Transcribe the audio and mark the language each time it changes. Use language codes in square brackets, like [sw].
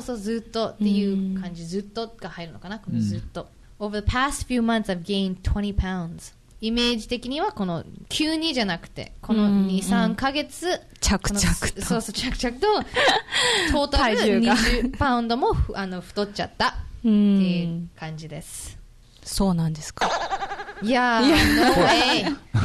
[ja] そうずっとっていう感じ、ずっとが入るのかな、このずっと。 [en] Over the past few months I've gained 20 pounds。 [ja] イメージ的にはこの急にじゃなくてこの 2,3 ヶ月着々と、着々とトータル20パウンドも太っちゃったっていう感じです。そうなんですか。いやー、ノーウェイ。